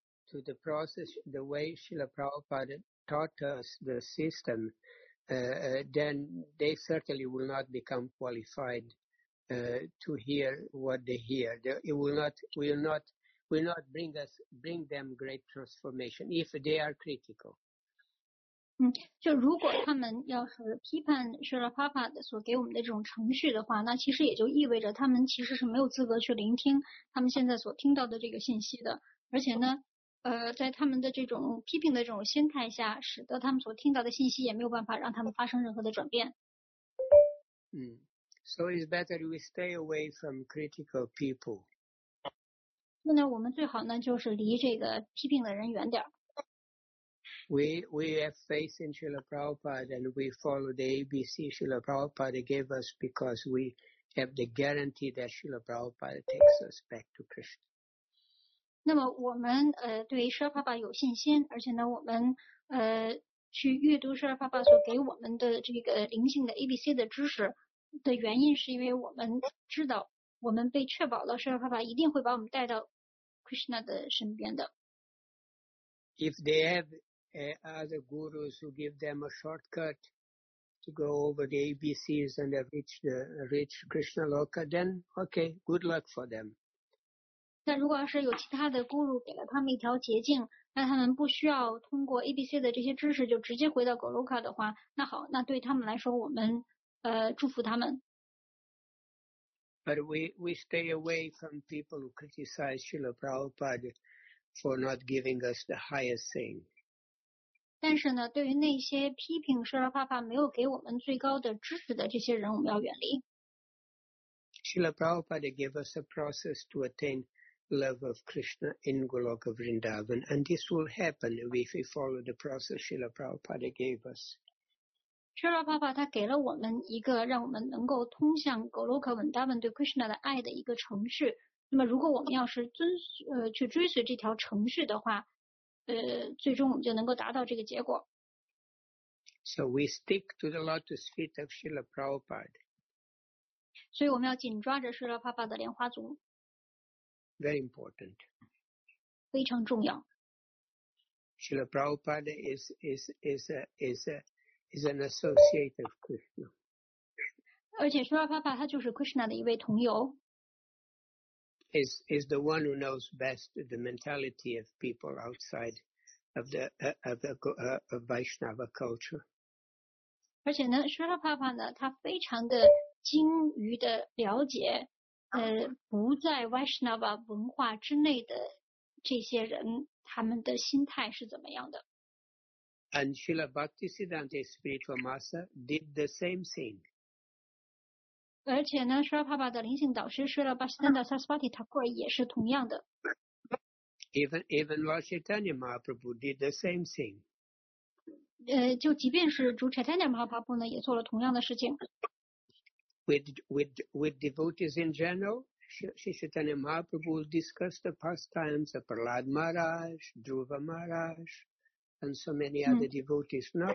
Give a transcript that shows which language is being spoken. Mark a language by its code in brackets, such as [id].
[en] To the process, the way Srila Prabhupada taught us the system, then they certainly will not become qualified to hear what they hear. It will not bring them great transformation if they are critical. [zh] 就如果他们要是批判舍勒帕帕的所给我们的这种程序的话，那其实也就意味着他们其实是没有资格去聆听他们现在所听到的这个信息的。而且呢，在他们的这种批评的这种心态下，使得他们所听到的信息也没有办法让他们发生任何的转变。 [en] So it's better we stay away from critical people. [zh] 那呢，我们最好呢就是离这个批评的人远点。 [en] We have faith in Srila Prabhupada and we follow the ABC Srila Prabhupada gave us because we have the guarantee that Srila Prabhupada takes us back to Krishna. [zh] 那么我们对舍帕帕有信心，而且呢我们去阅读舍帕帕所给我们的这个灵性的 ABC 的知识的原因，是因为我们知道我们被确保了舍帕帕一定会把我们带到 Krishna 的身边的。 [en] If they have other gurus who give them a shortcut to go over the ABCs and reach the reach Krishna Loka, then okay, good luck for them. [zh] 但如果要是有其他的 guru 给了他们一条捷径，那他们不需要通过 ABC 的这些知识就直接回到 Goloka 的话，那好，那对他们来说，我们祝福他们。 [en] But we stay away from people who criticize Srila Prabhupada. For not giving us the highest thing. [zh] 但是呢，对于那些批评舍勒帕帕没有给我们最高的知识的这些人，我们要远离。 [en] Srila Prabhupada gave us a process to attain love of Krishna in Goloka Vrindavan, and this will happen if we follow the process Srila Prabhupada gave us. [zh] 舍勒帕帕他给了我们一个让我们能够通向 Goloka Vrindavan 对 Krishna 的爱的一个程序。那么如果我们要是去追随这条程序的话，最终我们就能够达到这个结果。 [en] So we stick to the lotus feet of Srila Prabhupada. [zh] 所以我们要紧抓着 Srila Prabhupada 的莲花足。 [en] Very important. [zh] 非常重要。 [en] Srila Prabhupada is an associate of Krishna. [zh] 而且 Srila Prabhupada 他就是 Krishna 的一位同游。 [en] Is the one who knows best the mentality of people outside of the of Vaishnava culture. [zh] 而且呢，舍勒帕帕呢，他非常的精于的了解，不在 Vaishnava 文化之内的这些人，他们的心态是怎么样的。 [en] And Srila Bhaktisiddhanta Spiritual Master did the same thing. [zh] 而且呢，舍勒帕帕的灵性导师舍勒巴西丹的萨斯巴提塔库尔也是同样的。 [en] Even Lord Chaitanya Mahaprabhu did the same thing. [zh] 就即便是主 Chaitanya Mahaprabhu 呢，也做了同样的事情。 [en] With devotees in general, Sri Chaitanya Mahaprabhu discussed the pastimes of Prahlad Maharaj, Dhruva Maharaj, and so many other devotees.